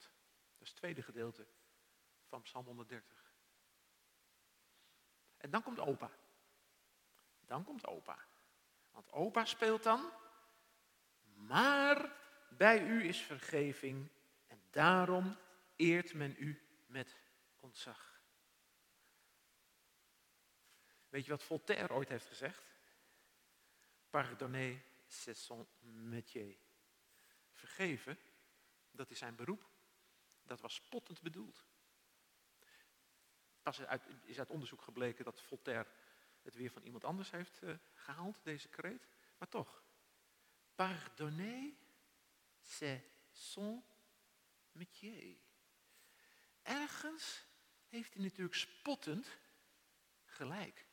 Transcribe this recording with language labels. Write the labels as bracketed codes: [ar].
[nl] Dat is het tweede gedeelte van Psalm 130. En dan komt opa. Dan komt opa. Want opa speelt dan. Maar bij u is vergeving en daarom eert men u met ontzag. Weet je wat Voltaire ooit heeft gezegd? [fr] Pardonner, c'est son métier. [nl] Vergeven, dat is zijn beroep. Dat was spottend bedoeld. Pas is uit onderzoek gebleken dat Voltaire het weer van iemand anders heeft gehaald, deze kreet. Maar toch, [fr] pardonner, c'est son métier. [nl] Ergens heeft hij natuurlijk spottend gelijk.